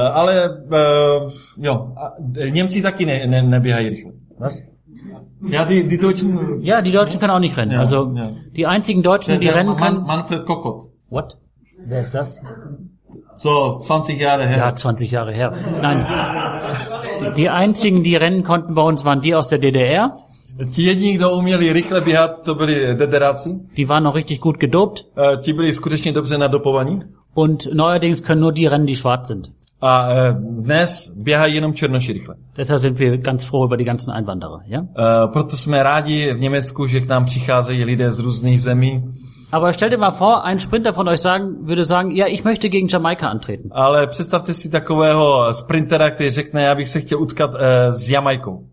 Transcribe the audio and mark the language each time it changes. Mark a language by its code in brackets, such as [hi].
[cs] Ale jo, Němci taky neběhají rychle. [de] Ja, die Deutschen. Ja, die Deutschen können auch nicht rennen. Ja, also ja. Die einzigen Deutschen, die rennen können. Manfred Kokot. What? Wer ist das? So, 20 Jahre her. Ja, 20 Jahre her. Nein. Die einzigen, die rennen konnten bei uns, waren die aus der DDR. [cs] Ti jedni, kdo uměli rychle běhat, to byli DDRáci. [de] Die waren noch richtig gut gedopt. [cs] Ti byli skutečně dobře nadopovaní. [de] Und neuerdings können nur die rennen, die schwarz sind. [cs] A dnes běhají jenom černoši rychle. [de] Deshalb sind wir ganz froh über die ganzen Einwanderer, ja? [cs] Proto jsme rádi v Německu, že k nám přicházejí lidé z různých zemí. [de] Aber stell dir mal vor, ein Sprinter von euch würde sagen, ja, ich möchte gegen Jamaika antreten. [cs] Ale představte si takového sprintera, který řekne, já bych se chtěl utkat s Jamaikou.